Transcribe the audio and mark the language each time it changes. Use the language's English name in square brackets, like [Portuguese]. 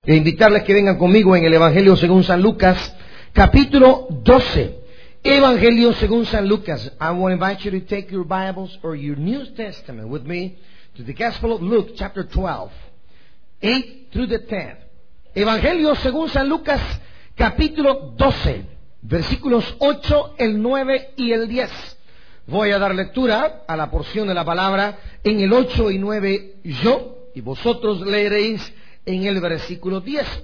[Spanish] e invitarles que vengan conmigo en el Evangelio según San Lucas, capítulo 12. Evangelio según San Lucas. [English] I want to invite you to take your Bibles or your New Testament with me to the Gospel of Luke, chapter 12, 8 through the 10. [Spanish] Evangelio según San Lucas, capítulo 12, versículos 8, el 9 y el 10. Voy a dar lectura a la porción de la palabra en el 8 y 9 yo, y vosotros leeréis en el versículo 10.